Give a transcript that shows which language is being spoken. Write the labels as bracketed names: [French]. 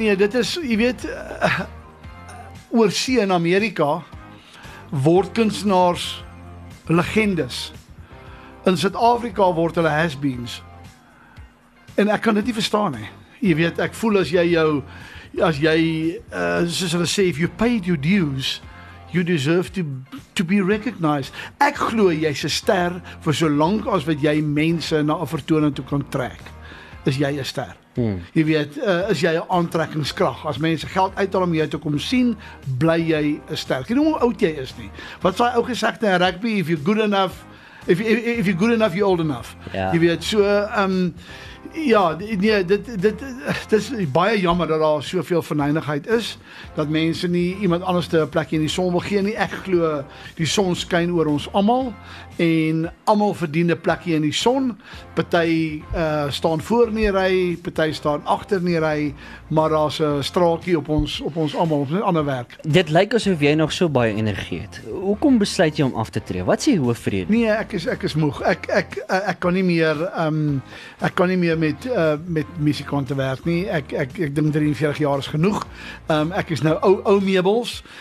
[Afrikaans] Ja nee, dit is, jy weet, oorsee in Amerika word kunstenaars legendes. In Suid-Afrika word hulle has-beens. En ek kan dit nie verstaan nie. Jy weet, ek voel as jy jou as jy, soos hulle sê, [English] if you paid your dues, you deserve to be recognized. [Afrikaans] Ek glo jy is 'n ster vir so lank as wat jy mense na 'n vertoning toe kan trek. Is jy 'n ster. Hmm. Jy weet, is jy 'n aantrekkingskrag. As mense geld uithaal om jou te kom sien, bly jy 'n ster. Jy noem hoe oud jy is nie. Wat sê ou gesegde in rugby, [English] if you're good enough, if you're good enough, you're old enough. Yeah. [Afrikaans] Jy weet, so, ja, nee, dit is baie jammer dat daar soveel verneinigheid is, dat mense nie iemand anders te plekje in die son wil gee nie. Ek glo, die son skyn oor ons allemaal, en allemaal verdien een plekje in die son. Party staan voor in die rij, party staan achter in die rij, maar daar is een straalkie op ons allemaal, op een ander werk. Dit lyk asof jy nog so baie energie het. Hoekom besluit jy om af te tree? Wat sê hoofvrede? Nee, ek is moeg. Ek kan nie meer, ek kan nie meer met musikante werk nie. Ek dink 43 jaar is genoeg. Ek is nou ou meubels.